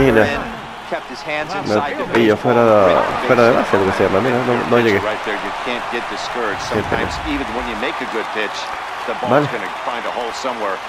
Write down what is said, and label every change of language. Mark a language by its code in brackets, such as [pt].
[en] in, kept his hands inside. [es] Y yo fuera de base, lo que sea. Mira, no llegué. [en] Sometimes even when you make a good pitch, the ball's going to find a hole somewhere.